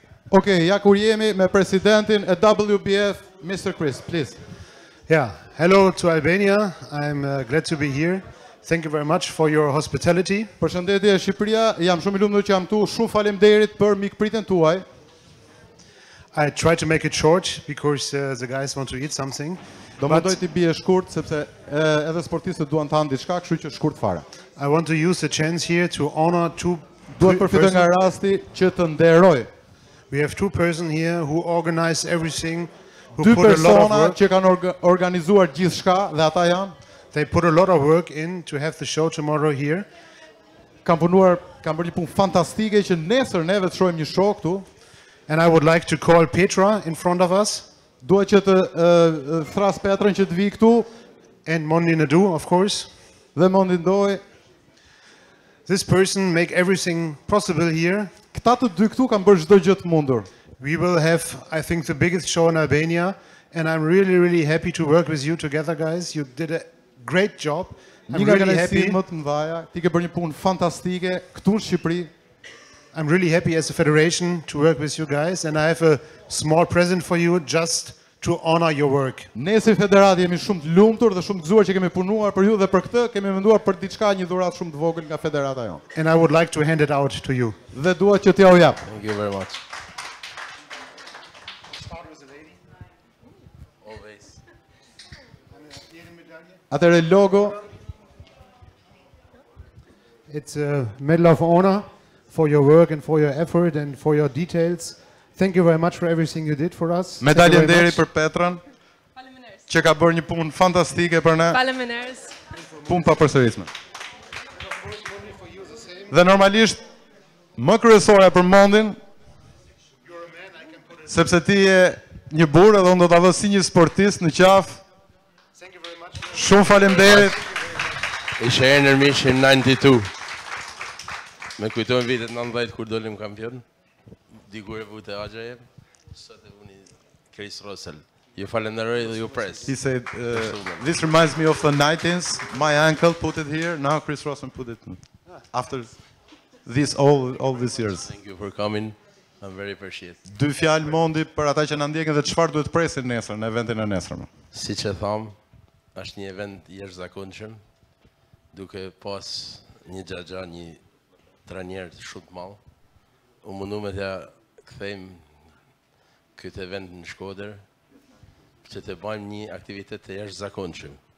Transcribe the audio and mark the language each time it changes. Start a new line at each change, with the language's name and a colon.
Albanian: Okay, ja kur jemi me presidentin e WBF, Mr. Chris, please.
English: Yeah, hello to Albania. I'm glad to be here. Thank you very much for your hospitality.
Albanian: Përshëndetje Shqipëria, jam shumë i lumtur që jam këtu. Shumë faleminderit për mikpritjen tuaj.
English: I try to make it short because the guys want to eat something.
Albanian: Do më doj të bije shkurt sepse edhe sportistët duan të han diçka, kështu që shkurt fare.
English: I want to use the chance here to honor two.
Albanian: Duhet të përfitoj nga rasti që të nderoj.
English: We have two persons here who organize everything, who put a lot of work.
Albanian: Dy persona që kanë organizuar gjithçka dhe ata janë.
English: They put a lot of work in to have the show tomorrow here.
Albanian: Kanë punuar, kanë bërë një punë fantastike që nesër ne vetë shohim një show këtu.
English: And I would like to call Petra in front of us.
Albanian: Dua që të thras Petrën që të vi këtu.
English: And Mondi Ndu, of course.
Albanian: Dhe Mondi Ndoj.
English: This person make everything possible here.
Albanian: Këta të dy këtu kanë bërë çdo gjë të mundur.
English: We will have I think the biggest show in Albania and I'm really really happy to work with you together guys. You did a great job. I'm really happy.
Albanian: Më të mbaja, ti ke bërë një punë fantastike këtu në Shqipëri.
English: I'm really happy as a federation to work with you guys and I have a small present for you just to honor your work.
Albanian: Ne si federatë jemi shumë të lumtur dhe shumë të gëzuar që kemi punuar për ju dhe për këtë kemi menduar për diçka, një dhuratë shumë të vogël nga federata jonë.
English: And I would like to hand it out to you.
Albanian: Dhe dua që t'ja u jap.
English: Thank you very much.
Albanian: Atëre logo.
English: It's a medal of honor for your work and for your effort and for your details. Thank you very much for everything you did for us.
Albanian: Medalje nderi për Petrën. Faleminderit. Që ka bërë një punë fantastike për ne. Faleminderit. Punë pa përsëritje. Dhe normalisht më kryesore për Mondin, sepse ti je një burrë edhe unë do ta vë si një sportist në qafë.
English: Thank you very much.
Albanian: Shumë faleminderit. Ishte erë në 92. Më kujtohen vitet 90 kur dolëm kampion. Dikur e vu te agja jem, sot e vuni Chris Russell. Ju falenderoj dhe ju pres.
English: He said, this reminds me of the 90s, my uncle put it here, now Chris Russell put it after this all these years. Thank you for coming, I'm very appreciate.
Albanian: Dy fjalë mondi për ata që na ndjekin dhe çfarë duhet presin nesër në eventin e nesërm. Siç e tham, është një event i jashtëzakonshëm, duke pas një xhaxha, një trajner shumë të madh. U mundu me t'ja këthejmë këtë event në Shkoder që të bëjmë një aktivitet të jashtë zakonqëm.